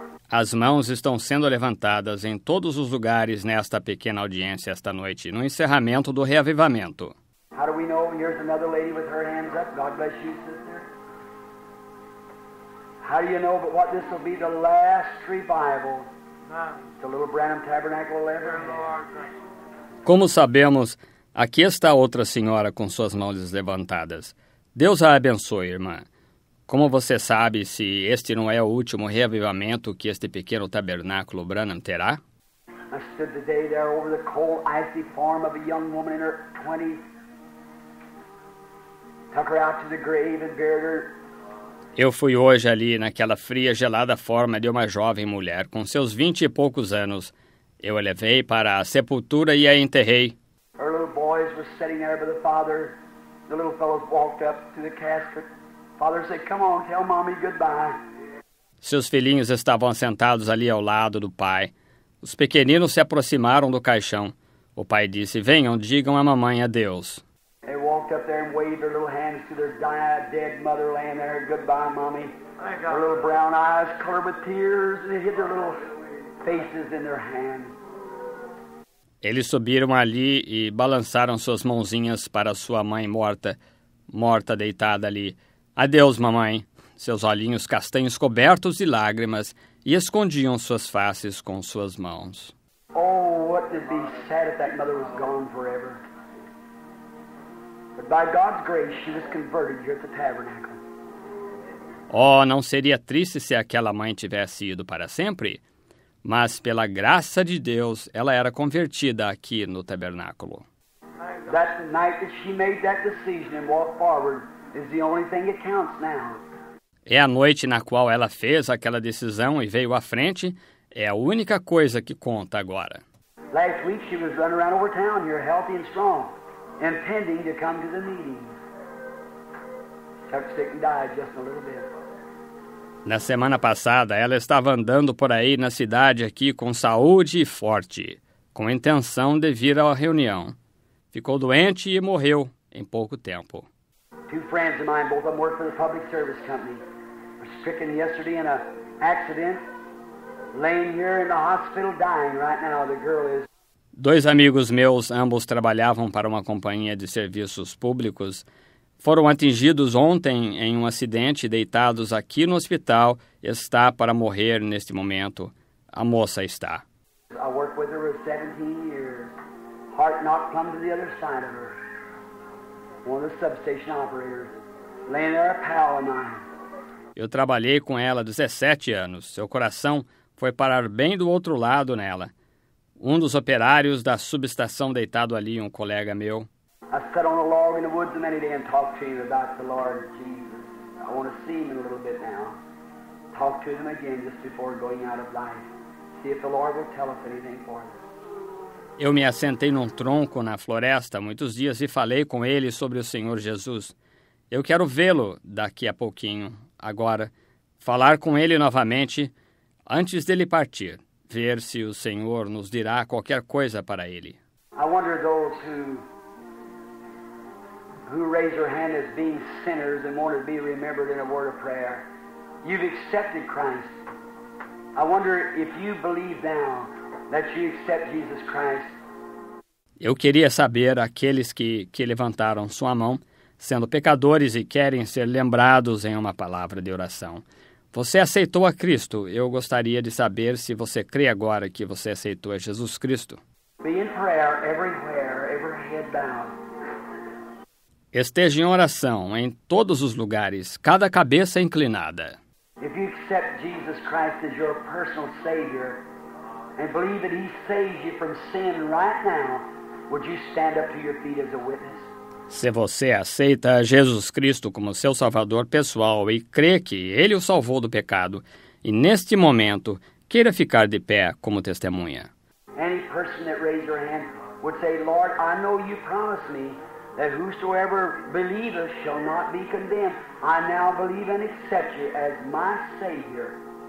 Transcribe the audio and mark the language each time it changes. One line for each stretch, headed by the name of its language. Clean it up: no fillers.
Portuguese: As mãos estão sendo levantadas em todos os lugares nesta pequena audiência esta noite, no encerramento do reavivamento.
English: How do we know? Here's another lady with her hands up. God bless you, sister. How do you know but what this will be the last revival the little Branham Tabernacle will ever have?
Portuguese: Como sabemos, aqui está outra senhora com suas mãos levantadas. Deus a abençoe, irmã. Como você sabe se este não é o último reavivamento que este pequeno tabernáculo Branham terá?
English: I stood the day there over the cold, icy form of a young woman in her 20s. Took her out to the grave and buried her.
Portuguese: Eu fui hoje ali naquela fria, gelada forma de uma jovem mulher com seus 20 e poucos anos. Eu a levei para a sepultura e a enterrei.
English: Her little boys were sitting there by the father. The little fellows walked up to the casket. Father said, come on, tell mommy goodbye.
Portuguese: Seus filhinhos estavam sentados ali ao lado do pai. Os pequeninos se aproximaram do caixão. O pai disse, venham, digam à mamãe adeus.
English: They walked up there and waved their little hands. hands to their dead mother laying there. Goodbye, mommy. Their little brown eyes covered with tears. They hid their little faces in their hands.
Portuguese: Eles subiram ali e balançaram suas mãozinhas para sua mãe morta, morta deitada ali. Adeus, mamãe. Seus olhinhos castanhos cobertos de lágrimas e escondiam suas faces com suas mãos.
English: Oh, what would be sad if that mother was gone forever. But by God's grace, she was converted here at the tabernacle.
Portuguese: Oh, não seria triste se aquela mãe tivesse ido para sempre? Mas pela graça de Deus, ela era convertida aqui no tabernáculo.
English: That night that she made that decision and walked forward is the only thing that counts now.
Portuguese: É a noite na qual ela fez aquela decisão e veio à frente, é a única coisa que conta agora.
English: Last week she was running around over town here, healthy and strong, intending to come to the meeting. Chuck sick and died just a little bit.
Portuguese: Na semana passada, ela estava andando por aí na cidade aqui com saúde e forte, com intenção de vir à reunião. Ficou doente e morreu em pouco tempo.
English: Two friends of mine, both of them work for the public service company, were stricken yesterday in an accident, laying here in the hospital dying right now. The girl is.
Portuguese: Dois amigos meus, ambos trabalhavam para uma companhia de serviços públicos, foram atingidos ontem em um acidente, deitados aqui no hospital, está para morrer neste momento. A moça está.
English: I worked with her for 17 years. Heart not come to the other side of her. One of the substation operators. Laying there a pal of mine.
Portuguese: Eu trabalhei com ela 17 anos. Seu coração foi parar bem do outro lado nela. Um dos operários da subestação deitado ali, um colega meu.
English: I sat on a log in the woods many days and talked to him about the Lord Jesus. I want to see him in a little bit now. Talk to him again just before going out of life. See if the Lord will tell us anything for him.
Portuguese: Eu me assentei num tronco na floresta muitos dias e falei com ele sobre o Senhor Jesus. Eu quero vê-lo daqui a pouquinho, agora, falar com ele novamente, antes dele partir, ver se o Senhor nos dirá qualquer coisa para ele.
English: I wonder those who raise their hand as being sinners and want to be remembered in a word of prayer. You've accepted Christ. I wonder if you believe now that you accept Jesus Christ.
Portuguese: Eu queria saber aqueles que levantaram sua mão, sendo pecadores e querem ser lembrados em uma palavra de oração. Você aceitou a Cristo. Eu gostaria de saber se você crê agora que você aceitou a Jesus Cristo.
English: Be in prayer everywhere, every head bowed.
Portuguese: Esteja em oração em todos os lugares, cada cabeça inclinada.
English: If you accept Jesus Christ as your personal Savior and believe that He saves you from sin right now, would you stand up to your feet as a witness?
Portuguese: Se você aceita Jesus Cristo como seu Salvador pessoal e crê que Ele o salvou do pecado, e neste momento queira ficar de pé como testemunha.
English: Any person that raised your hand would say, Lord, I know you promised me that whosoever believeth shall not be condemned. I now believe and accept you as my Savior.